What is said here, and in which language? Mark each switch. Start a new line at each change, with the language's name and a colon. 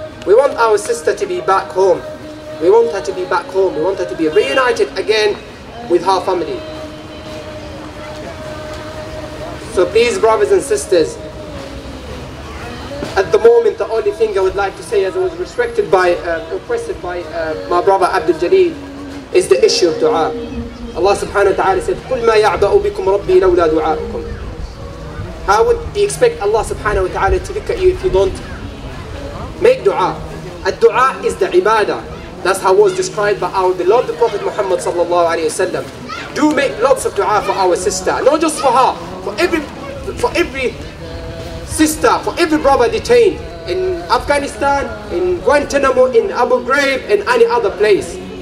English: We want our sister to be back home. We want her to be back home. We want her to be reunited again with her family. So please, brothers and sisters, at the moment, the only thing I would like to say, as I was respected by, oppressed by my brother Abdul Jalil, is the issue of dua. Allah subhanahu wa ta'ala said,
Arabic: قُلْ مَا يَعْبَأُ بِكُمْ رَبِّي لَوْلَا دُعَاءُكُمْ.
English: How would he expect Allah subhanahu wa ta'ala to look at you if you don't make dua? A dua is the ibadah. That's how it was described by our beloved Prophet Muhammad sallallahu alayhi wa sallam. Do make lots of dua for our sister, not just for her, for every sister, for every brother detained in Afghanistan, in Guantanamo, in Abu Ghraib, in any other place.